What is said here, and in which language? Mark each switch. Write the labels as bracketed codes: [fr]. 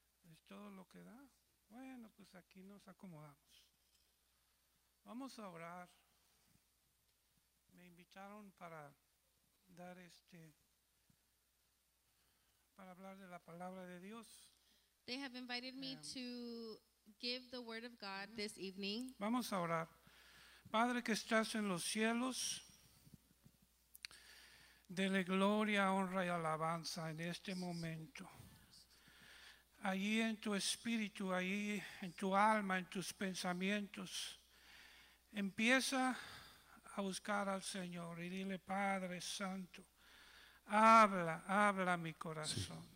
[es] ¿Es todo lo que da? Bueno, pues aquí nos acomodamos. Vamos a orar. Me invitaron para dar para hablar de la palabra de Dios. [en] They have invited me to give the word of God this evening. [es] Vamos a orar. Padre que estás en los cielos, dele gloria, honra y alabanza en este momento. Allí en tu espíritu, allí en tu alma, en tus pensamientos, empieza a buscar al Señor y dile, Padre Santo, Habla mi corazón.